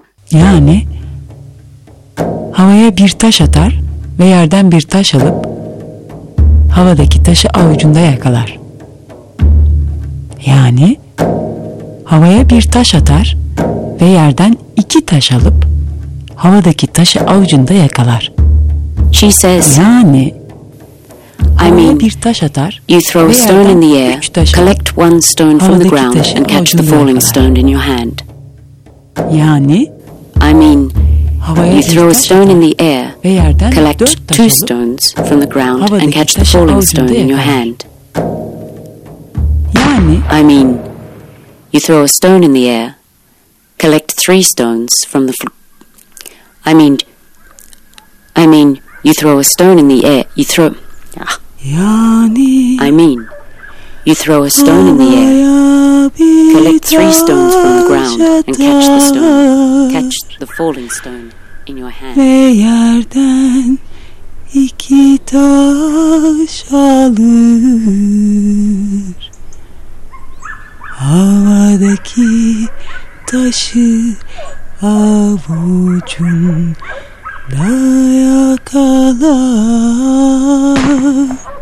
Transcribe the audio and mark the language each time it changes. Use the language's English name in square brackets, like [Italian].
[Turkish] Yani havaya bir taş atar ve yerden bir taş alıp havadaki taşı avucunda yakalar. Yani havaya bir taş atar ve yerden iki taş alıp havadaki taşı avucunda yakalar. [English] She says. [Turkish] Yani [English] I mean, [Turkish] bir taş atar, [English] you throw a stone in the air, collect one stone from the ground and catch the falling stone in your hand. [Turkish] Yani, [English] I mean, you throw a stone in the air, collect two stones from the ground and catch the falling stone in your hand. [Turkish] Yani, [English] I mean, you throw a stone in the air, collect three stones from the I mean, you throw a stone in the air, you throw... [Turkish] Yani, [English] I mean, you throw a stone in the air, collect three stones from the ground, and catch the falling stone in your hand. [Turkish] Ve yerden iki taş alır, havadaki taşı avucunda yakalar.